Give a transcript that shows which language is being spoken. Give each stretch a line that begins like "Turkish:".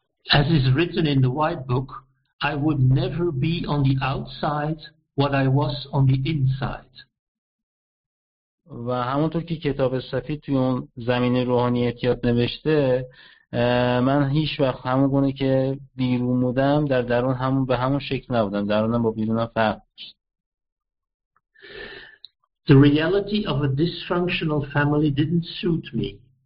English: As is written in the white book, I would never be on the outside what I was on the inside.
Persian: و همونطور که کتاب سفید توی اون زمینه روحانیت یاد نوشته، من هیچ وقت همون گونه که بیرون بودم در درون همون به همون شکل نبودم، درونم با بیرونم فرق داشت.
English: The reality of a dysfunctional family didn't suit me.